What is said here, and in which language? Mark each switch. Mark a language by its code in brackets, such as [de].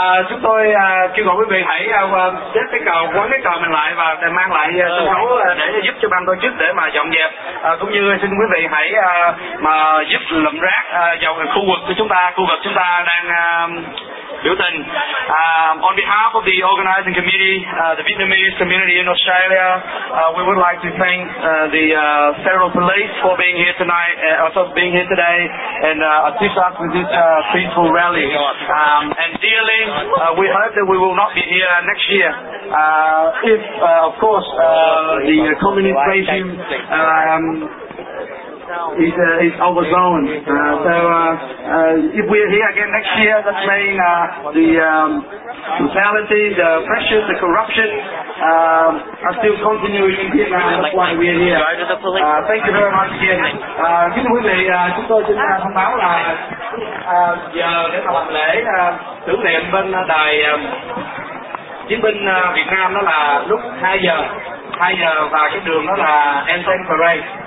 [vi] Chúng tôi kêu gọi quý vị hãy xếp cái cầu, quấn cái cầu mình lại và mang lại sân khấu để giúp cho ban tổ chức để mà dọn dẹp, cũng như xin quý vị hãy mà giúp lượm rác vào khu vực của chúng ta, khu vực chúng ta đang biểu tình. [en] On behalf of the organizing committee, the Vietnamese community in Australia, we would like to thank the federal police for being here tonight, for being here today, and assist us with this peaceful rally. And dearly, we hope that we will not be here next year. If, of course, the communist regime is overzone. If we are here again next year, that's mean the brutality, the oppression, the corruption are still continuing in Vietnam. That's why we are here. Thank you very much again. [vi] Xin quý vị, chúng tôi xin thông báo là giờ để làm lễ tưởng niệm bên đài chiến binh Việt Nam đó là lúc 2 giờ và cái đường đó là Anthem Parade.